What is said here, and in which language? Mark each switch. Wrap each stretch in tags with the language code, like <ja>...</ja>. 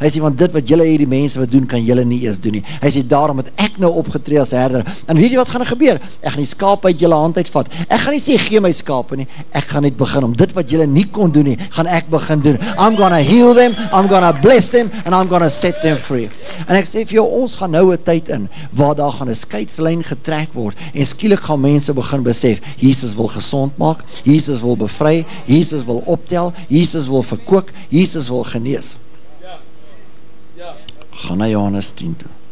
<af>Hy sê, want dit wat julle hier die mense wat doen, kan julle nie eens doen nie. Hy sê, daarom het ek nou opgetree as herder. En weet jy wat gaan gebeur? Ek gaan die skaap uit julle hand uitvat. Ek gaan nie sê gee my skape nie. Ek gaan net begin om dit wat julle nie kon doen nie, gaan ek begin doen.</af> <en>I'm gonna heal them, I'm gonna bless them and I'm gonna set them free.</en> <af>En ek sê vir jou, ons gaan nou 'n tyd in waar daar gaan 'n skeidslyn getrek word en skielik gaan mense begin besef, Jesus wil gesond maak, Jesus wil bevry, Jesus wil optel, Jesus wil verkoop, Jesus wil genees. Gaan na Johannes 10 toe.</af>